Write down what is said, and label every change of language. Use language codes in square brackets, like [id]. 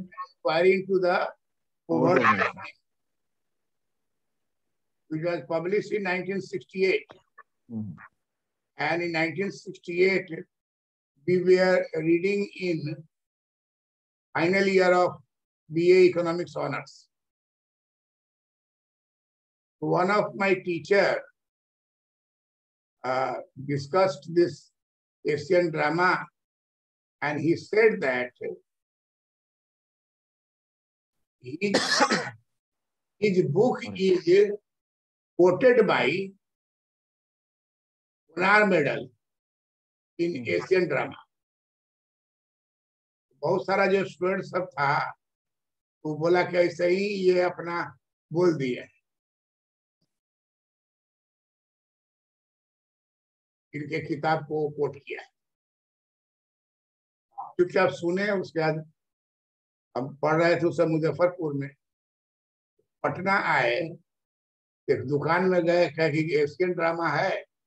[en] Inquiry to the poverty of nation which was published in 1968 and in 1968 we were reading in final year of BA economics honours. [hi] One of my teacher [en] discussed this Asian drama and he said that his book is quoted by Gunnar Myrdal in Asian drama. [hi] बहुत सारा जो student सब था वो बोला कि ऐसे ही ये अपना बोल दिया. इनके किताब को कोट किया है क्योंकि आप सुने उसके बाद हम पढ़ रहे थे. उसे मुजफ्फरपुर में पटना आए एक दुकान में गए कहा कि एशियन ड्रामा है.